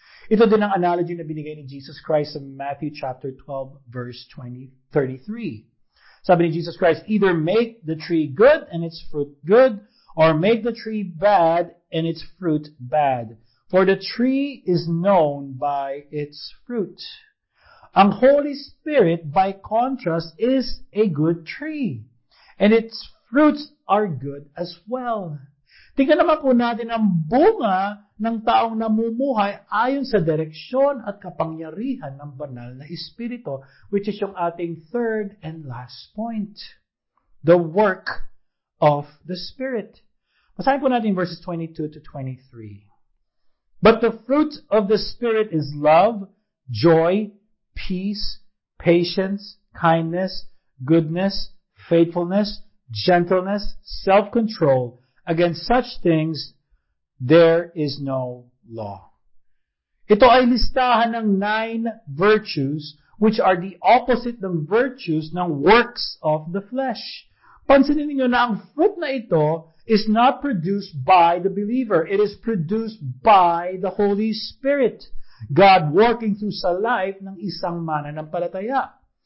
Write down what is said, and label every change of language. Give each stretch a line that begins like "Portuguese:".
Filipino: Ito din ang analogy na binigay ni Jesus Christ sa Matthew chapter 12, verse 33. Sabi ni Jesus Christ, either make the tree good and its fruit good, or make the tree bad and its fruit bad.
English: For the tree is known by its fruit. Ang Holy Spirit, by contrast, is a good tree. And its fruits are good as well.
Filipino: Tingnan naman po natin ang bunga ng taong namumuhay ayon sa direksyon at kapangyarihan ng banal na Espiritu, which is yung ating third and last point.
English: The work of the Spirit. Masahin po natin verses 22 to 23. But the fruit of the Spirit is love, joy, peace, patience, kindness, goodness, faithfulness, gentleness, self-control. Against such things, there is no law. Ito ay listahan ng 9 virtues, which are the opposite ng virtues ng works of the flesh. Pansinin ninyo na ang fruit na ito is not produced by the believer. It is produced by the Holy Spirit. God working through sa life ng isang mananampalataya.